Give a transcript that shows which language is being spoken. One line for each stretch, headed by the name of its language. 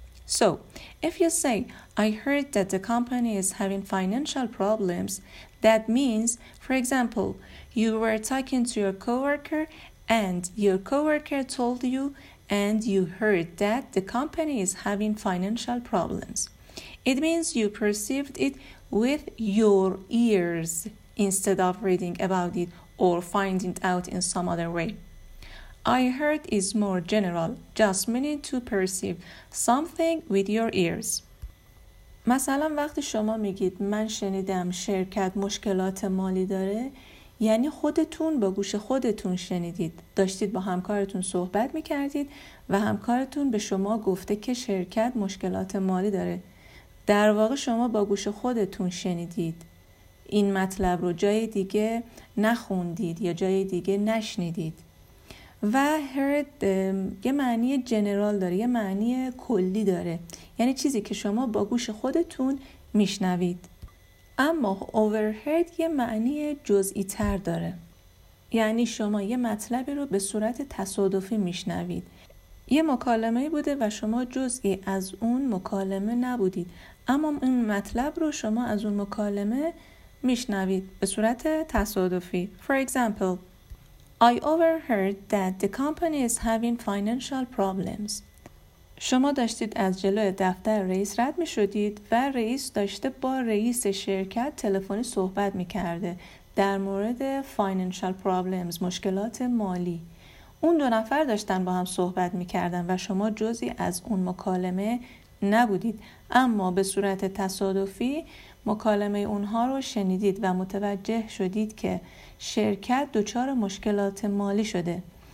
English: So, if you say, I heard that the company is having financial problems, that means, for example, you were talking to your coworker and your coworker told you and you heard that the company is having financial problems. It means you perceived it with your ears instead of reading about it or finding out in some other way. I heard is more general, just meaning to perceive something with your ears.
Persian: مثلا وقتی شما میگید من شنیدم شرکت مشکلات مالی داره، یعنی خودتون با گوش خودتون شنیدید، داشتید با همکارتون صحبت میکردید و همکارتون به شما گفته که شرکت مشکلات مالی داره. در واقع شما با گوش خودتون شنیدید این مطلب رو، جای دیگه نخوندید یا جای دیگه نشنیدید. و heard یه معنی جنرال داره، یه معنی کلی داره، یعنی چیزی که شما با گوش خودتون میشنوید. اما overheard یه معنی جزئی تر داره، یعنی شما یه مطلبی رو به صورت تصادفی میشنوید، یه مکالمه بوده و شما جزئی از اون مکالمه نبودید، اما این مطلب رو شما از اون مکالمه میشنوید به صورت تصادفی.
English: For example, I overheard that the company is having financial problems.
Persian: شما داشتید از جلوی دفتر رئیس رد می شدید و رئیس داشته با رئیس شرکت تلفنی صحبت می کرده در مورد
English: financial problems،
Persian: مشکلات مالی. اون دو نفر داشتن با هم صحبت می کردن و شما جزی از اون مکالمه نبودید، اما به صورت تصادفی مکالمه اونها رو شنیدید و متوجه شدید که شرکت دچار مشکلات مالی شده.